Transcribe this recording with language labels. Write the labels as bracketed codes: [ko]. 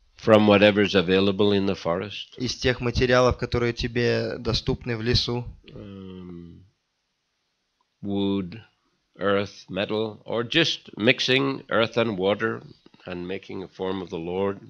[en] From whatever is available in the forest. [ru] Из тех материалов, которые тебе доступны в лесу. [en] Wood, earth, metal, or just mixing earth and water and making a form of the Lord.